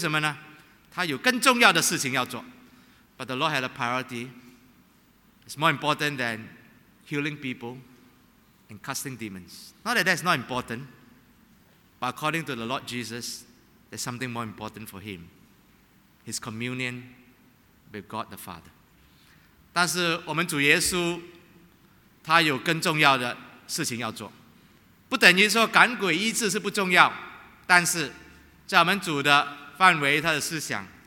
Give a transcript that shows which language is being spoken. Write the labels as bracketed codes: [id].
[zh] 那个上下文呢，那个背景呢，是形容耶稣基督他们在寻找耶稣。为什么呢？因为西门这的门徒呢，他要找他来赶鬼做医治的工作，但是耶稣找不到了。为什么呢？他有更重要的事情要做。 [en] But the Lord had a priority. It's more important than healing people and casting demons. Not that that's not important, but according to the Lord Jesus, there's something more important for Him. His communion with God the Father. [zh] 但是我们主耶稣，他有更重要的事情要做。不等于说赶鬼医治是不重要，但是在我们主的范围，他的思想。